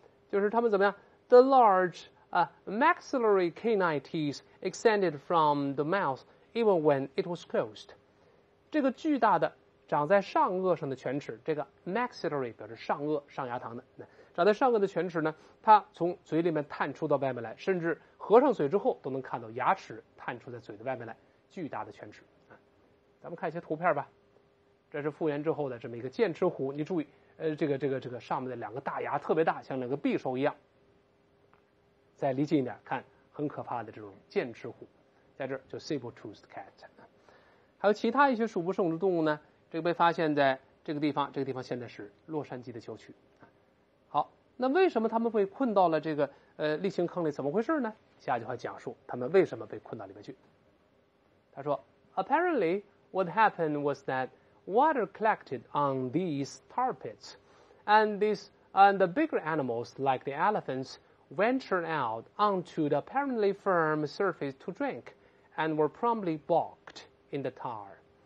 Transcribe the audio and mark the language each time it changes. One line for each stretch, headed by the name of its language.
English: 就是它们怎么样？The large maxillary canine teeth extended from the mouth even when it was closed.
Chinese: 这个巨大的长在上颚上的犬齿，这个 maxillary 表示上颚，上牙膛的，长在上颚的犬齿呢，它从嘴里面探出到外面来，甚至合上嘴之后都能看到牙齿探出在嘴的外面来，巨大的犬齿。咱们看一些图片吧，这是复原之后的这么一个剑齿虎，你注意这个上面的两个大牙特别大，像两个匕首一样。再离近一点看，很可怕的这种剑齿虎，在这儿就 saber-toothed cat。还有其他一些数不胜数的动物呢，这个被发现在这个地方，这个地方现在是洛杉矶的郊区。好，那为什么他们被困到了这个沥青坑里，怎么回事呢？下句话讲述他们为什么被困到里面去。
English: 他说 Apparently what happened was that water collected on these tar pits and the bigger animals like the elephantsventured out onto the apparently firm surface to drink and were promptly balked in the tar.